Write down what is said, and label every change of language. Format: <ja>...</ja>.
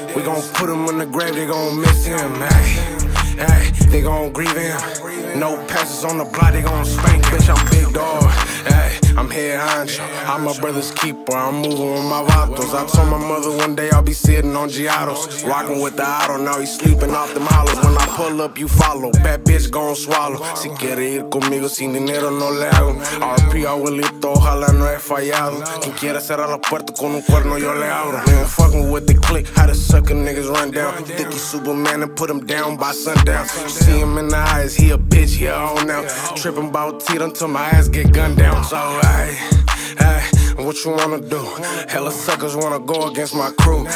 <en>We gon' put him in the grave, they gon' miss him. Ay, ay, they gon' grieve him. No passes on the block, they gon' spank. Bitch, I'm big dog. Ay, I'm head honcho. I'm my brother's keeper. I'm moving with my vatos. I told my mother one day I'll be sitting on Giados. Rocking with the auto, now he's sleeping off the Milo. When I pull up, you follow. Bad bitch gon' swallow.</en> <es>Si quiere ir conmigo, sin dinero no le hago. RP, abuelito, ojalá no he fallado. Quien quiera cerrar la puerta con un cuerno, yo le abro.</es> <en>Man, fucking with the click, how the sucker niggas run down. Think he's Superman and put him down by sundown. You see him in the eyes, he a bitch, he a hoe now. Tripping bout teeth until my ass get gunned down. So, ay, ay, what you wanna do? Hella suckers wanna go against my crew.</en>